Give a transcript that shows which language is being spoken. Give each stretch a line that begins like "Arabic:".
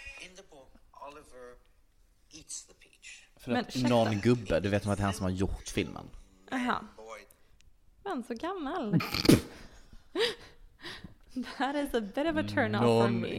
English: In the book, Oliver eats the peach.
Swedish: För att någon gubbe, du vet om att det är han som har gjort filmen. Aha. Men så gammal.
English: That is a bit of a turn off for me.